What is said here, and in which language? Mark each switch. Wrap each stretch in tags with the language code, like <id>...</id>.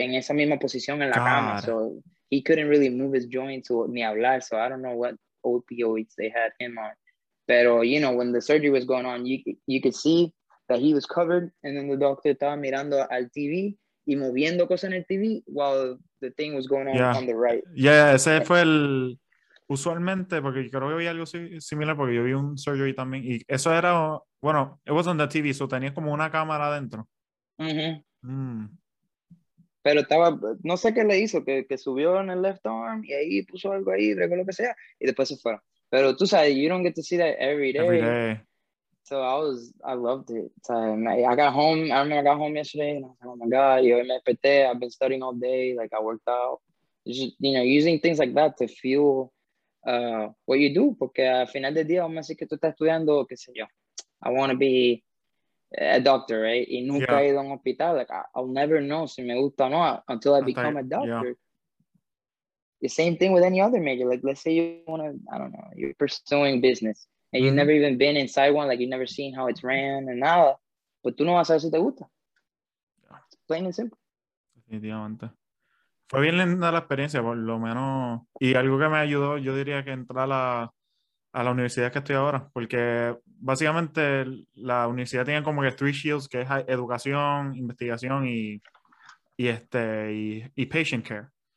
<es>En esa misma posición en la cama,</es> <en>so he couldn't really move his joints or</en> <es>ni hablar,</es> <en>so I don't know what opioids they had him on. Pero, you know, when the surgery was going on, you could see that he was covered, and then the doctor</en> <es>estaba mirando al TV y moviendo cosas en el TV</es> <en>while the thing was going on on the right.</en> <es>Yeah, ese fue el... Usualmente, porque creo que vi algo similar, porque yo vi un surgery también, y eso era... Bueno,</es> <en>it was on the TV, so</en> <es>tenía como una cámara adentro. Mm-hmm. Mm. Pero estaba, no sé qué le hizo, que subió en el left arm y ahí puso algo ahí, regó lo que sea, y después se fueron. Pero tú sabes,</es> <en>you don't get to see that every day. Every day. So I loved it. So I got home yesterday and I was like, oh my God,</en> <es>yo me desperté,</es> <en>I've been studying all day, like I worked out. Just, you know, using things like that to fuel what you</en> <es>do, porque al final del día, vamos a decir que tú estás estudiando, qué sé yo,</es> <en>I want to be a doctor, right?</en> <es>Y nunca he ido a un hospital.</es> <en>Like, I'll never know</en> <es>si me gusta o no</es> <en>until I become a doctor. The same thing with any other major. Like, let's say you want to, I don't know, you're pursuing business. And you've never even been inside one. Like, you've never seen how it's ran and nada.</en> <es>But tú no vas a ver si te gusta.</es> <en>It's plain and simple.</en> <es>Definitivamente. Fue bien linda la experiencia, por lo menos. Y algo que me ayudó, yo diría que entrar a la universidad que estoy ahora, porque básicamente la universidad tiene como que 3 shields, que es educación, investigación y patient care.</es>